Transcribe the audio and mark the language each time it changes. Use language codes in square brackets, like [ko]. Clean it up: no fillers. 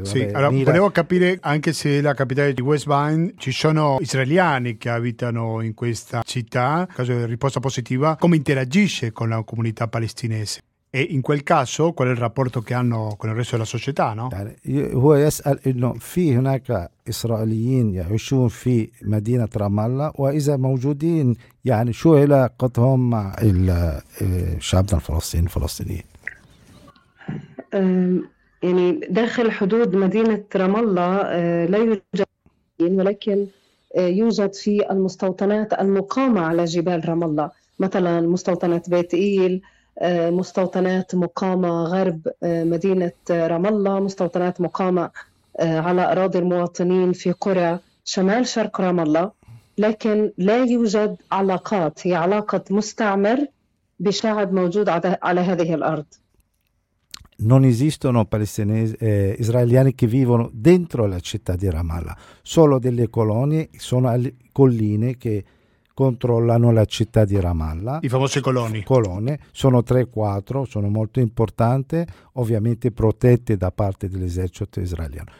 [it] Sì, allora, volevo capire anche se la capitale di West Bank ci sono israeliani che abitano in questa città, caso di risposta positiva, come interagisce con la comunità palestinese? E in quel caso qual è il rapporto che hanno con il resto della società, no? [ar] هو يسأل إنه في هناك إسرائيليين يعيشون في مدينة رام الله وإذا موجودين يعني شو علاقتهم مع الشعب الفلسطيني الفلسطينيين؟ يعني داخل حدود مدينة رام الله لا يوجد إسرائيليين، ولكن يوجد في المستوطنات المقامة على جبال رام الله، مثلا مستوطنة بيت إيل، مستوطنات مقامة غرب مدينة رام الله، مستوطنات مقامة على أراضي المواطنين في قرى شمال شرق رام الله، لكن لا يوجد علاقات، هي علاقة مستعمر بشعب موجود على هذه الأرض. [it] Non esistono palestinesi israeliani che vivono dentro la città di Rama Allah, solo delle colonie sono alle colline che controllano la città di Ramallah. I famosi coloni. Colonne, sono 3-4, sono molto importanti, ovviamente protette da parte dell'esercito israeliano.